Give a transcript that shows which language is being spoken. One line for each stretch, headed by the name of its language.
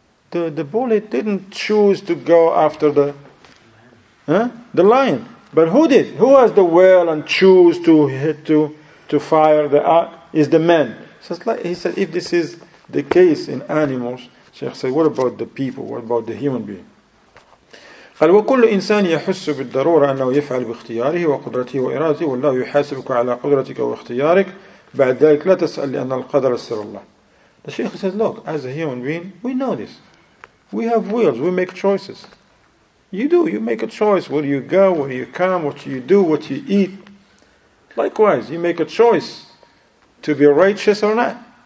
English: The bullet didn't choose to go after the lion. But who did? Who has the will and choose to hit to fire the arc? Is the man. So it's like, he said, if this is the case in animals, Sheikh said, what about the people? What about the human being?
Arabic: قال وكل إنسان يحس بالضرورة أنه يفعل باختياره وقدرته وإرادته والله يحاسبك على قدرتك واختيارك بعد ذلك لا تسأل لأن القدر سر الله.
English: The Sheikh said, look, as a human being, we know this. We have wills, we make choices. You make a choice where you go, where you come, what you do, what you eat. Likewise, you make a choice to be righteous or not.